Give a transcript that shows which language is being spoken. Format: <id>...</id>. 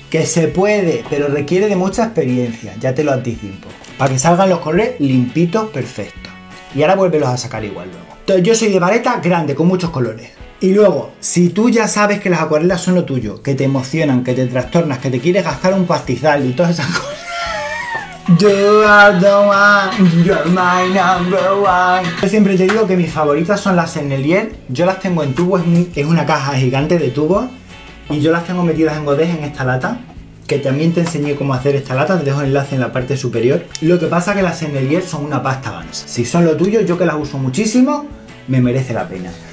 <es>Que se puede, pero requiere de mucha experiencia, ya te lo anticipo. Para que salgan los colores limpitos, perfectos. Y ahora vuélvelos a sacar igual luego. Entonces, yo soy de vareta grande, con muchos colores. Y luego, si tú ya sabes que las acuarelas son lo tuyo, que te emocionan, que te trastornas, que te quieres gastar un pastizal y todas esas cosas.</es> <en>You are the one, you're my number one.</en> <es>Yo siempre te digo que mis favoritas son las Sennelier. Yo las tengo en tubo, es una caja gigante de tubos. Y yo las tengo metidas en Godet en esta lata. Que también te enseñé cómo hacer esta lata, te dejo el enlace en la parte superior. Lo que pasa es que las Sennelier son una pasta gansa. Si son lo tuyo, yo que las uso muchísimo, me merece la pena.</es>